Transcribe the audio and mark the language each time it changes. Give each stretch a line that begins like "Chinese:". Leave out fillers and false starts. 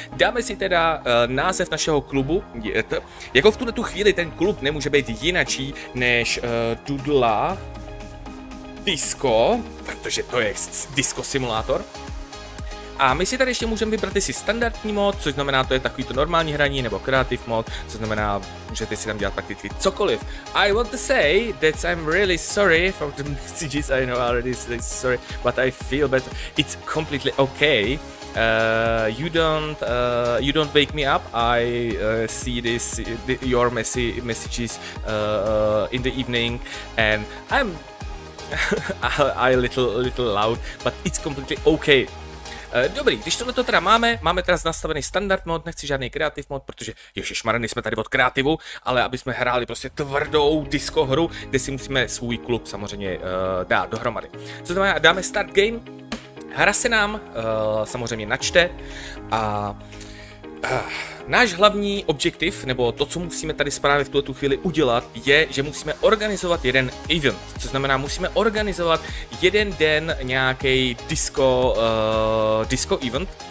Czech: Dáme si teda název našeho klubu. Jako v tuhletu chvíli ten klub nemůže být jinačí než Dudla Disco, protože to je disco simulátor. A my si tady ještě můžeme vybrat si standardní mod, což znamená, to je takový to normální hraní, nebo kreativ mod, což znamená, můžete si tam dělat prakticky cokoliv.
English: I want to say that I'm really sorry for the messages I know already, sorry, but I feel that it's completely okay. You don't wake me up. I see your messages in the evening, and I'm I little loud, but it's completely okay.
Czech: Dobrý, když tohle to teda máme teda nastavený standard mod, nechci žádný kreativ mod, protože ježišmarja, nejsme tady od kreativu, ale abychom hráli prostě tvrdou disco hru, kde si musíme svůj klub samozřejmě dát dohromady. Co znamená, dáme start game. Hra se nám samozřejmě načte a náš hlavní objektiv, nebo to, co musíme tady správně v tuto chvíli udělat, je, že musíme organizovat jeden event, co znamená, musíme organizovat jeden den nějaký disco event,